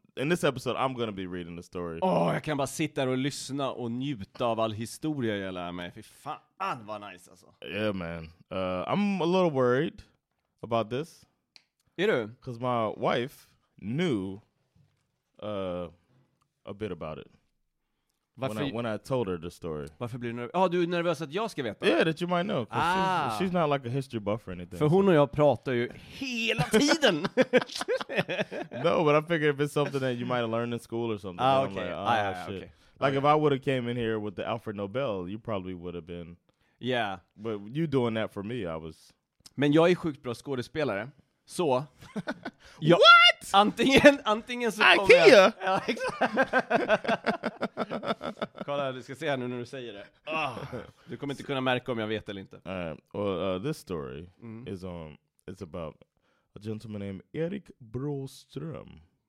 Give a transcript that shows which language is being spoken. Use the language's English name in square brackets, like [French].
[English] In this episode, I'm going to be reading the story. [Swedish] Åh, jag kan bara sitta där och lyssna och njuta av all historia jag lär mig. Fy fan, vad nice alltså. [English] Yeah, man. I'm a little worried about this. Because my wife knew a bit about it when I told her the story. [Swedish] Varför blir du nervös? Ja, du är nervös att jag ska veta. [English] Yeah, that you might know. She's not like a history buff or anything. [Swedish] För hon och jag pratar ju hela tiden. [English] No, but I figured if it's something that you might have learned in school or something. Okay. If I would have came in here with the Alfred Nobel, you probably would have been. Yeah. But you doing that for me, I was. [Swedish] Men jag är sjukt bra skådespelare. Så. Ja, what? Antingen så IKEA. Kommer jag. Ja, exakt. Kolla, du ska se här nu när du säger det. Du kommer inte kunna märka om jag vet eller inte. [English] This story is about a gentleman named Erik Broström.